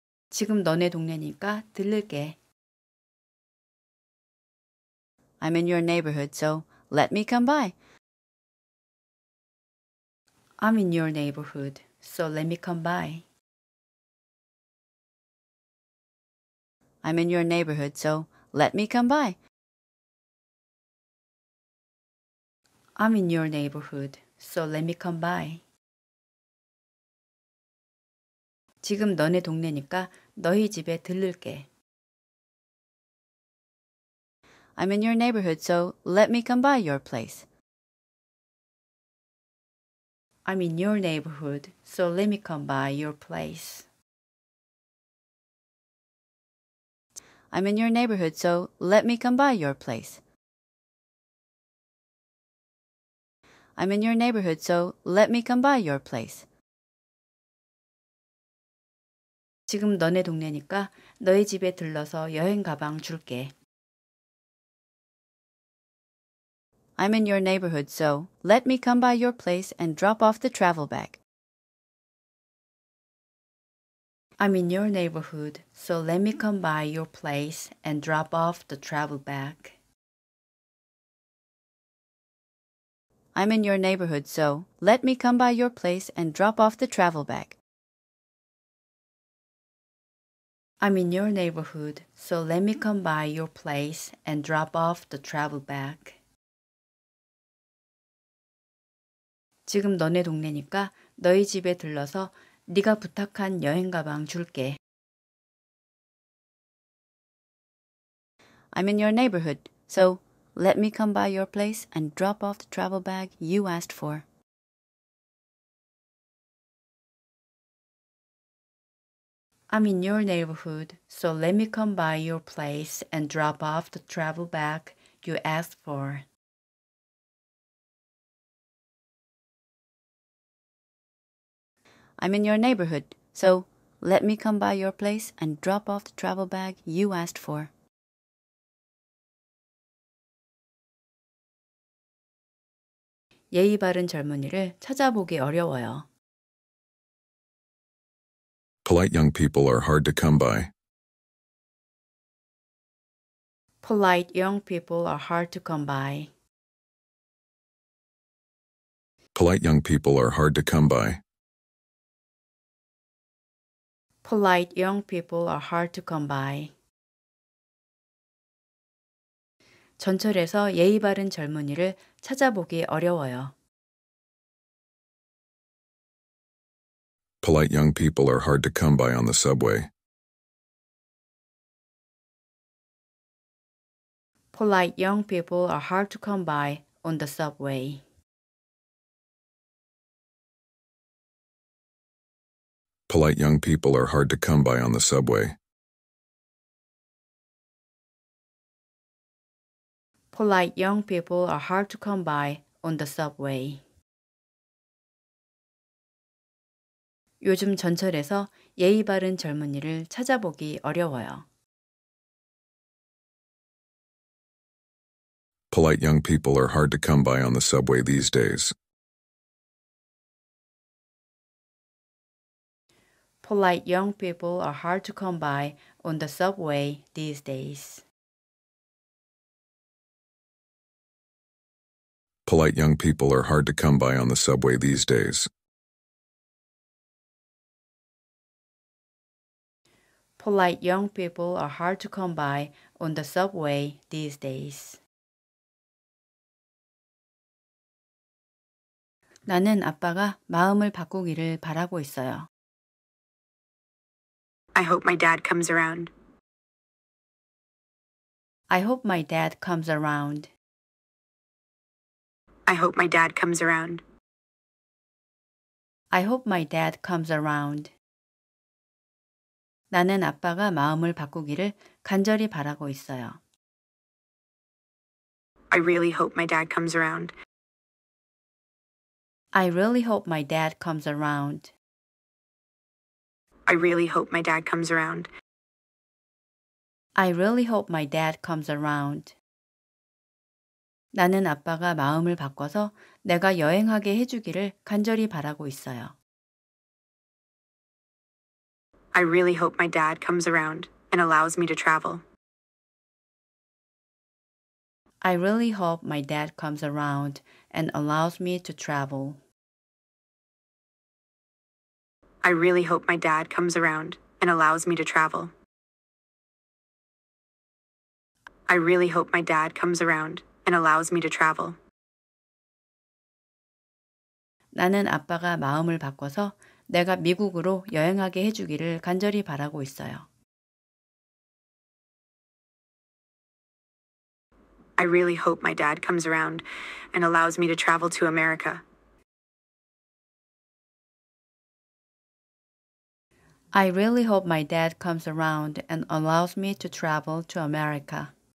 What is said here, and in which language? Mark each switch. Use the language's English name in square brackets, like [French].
[Korean] 지금 너네 동네니까 들를게. [English] I'm in your neighborhood, so let me come by. I'm in your neighborhood. So let me come by. I'm in your neighborhood, so let me come by. I'm in your neighborhood, so let me come by. [Korean] 지금 너네 동네니까 너희 집에 들를게. [English] I'm in your neighborhood, so let me come by your place. I'm in your neighborhood, so let me come by your place. I'm in your neighborhood, so let me come by your place. I'm in your neighborhood, so let me come by your place. [Korean] 지금 너네 동네니까 너희 집에 들러서 여행 가방 줄게. [English] I'm in your neighborhood, so let me come by your place and drop off the travel bag. I'm in your neighborhood, so let me come by your place and drop off the travel bag. I'm in your neighborhood, so let me come by your place and drop off the travel bag. I'm in your neighborhood, so let me come by your place and drop off the travel bag. [Korean] 지금 너네 동네니까 너희 집에 들러서 네가 부탁한 여행 가방 줄게. [English] I'm in your neighborhood, so let me come by your place and drop off the travel bag you asked for. I'm in your neighborhood, so let me come by your place and drop off the travel bag you asked for. I'm in your neighborhood, so let me come by your place and drop off the travel bag you asked for. [Korean] 예의 바른 젊은이를 찾아보기 어려워요. [English] Polite young people are hard to come by. Polite young people are hard to come by. Polite young people are hard to come by. Polite young people are hard to come by. [Korean] 전철에서 예의 바른 젊은이를 찾아보기 어려워요. [English] Polite young people are hard to come by on the subway. Polite young people are hard to come by on the subway. Polite young people are hard to come by on the subway. Polite young people are hard to come by on the subway. [Korean] 요즘 전철에서 예의 바른 젊은이를 찾아보기 어려워요. [English] Polite young people are hard to come by on the subway these days. Polite young people are hard to come by on the subway these days. Polite young people are hard to come by on the subway these days. Polite young people are hard to come by on the subway these days. [Korean] 나는 아빠가 마음을 바꾸기를 바라고 있어요. [English] I hope my dad comes around. I hope my dad comes around. I hope my dad comes around. I hope my dad comes around. [Korean] 나는 아빠가 마음을 바꾸기를 간절히 바라고 있어요. [English] I really hope my dad comes around. I really hope my dad comes around. I really hope my dad comes around. I really hope my dad comes around. [Korean] 나는 아빠가 마음을 바꿔서 내가 여행하게 해주기를 간절히 바라고 있어요. [English] I really hope my dad comes around and allows me to travel. I really hope my dad comes around and allows me to travel. I really hope my dad comes around and allows me to travel. I really hope my dad comes around and allows me to travel. [Korean] 나는 아빠가 마음을 바꿔서 내가 미국으로 여행하게 해주기를 간절히 바라고 있어요. [English] I really hope my dad comes around and allows me to travel to America. I really hope my dad comes around and allows me to travel to America.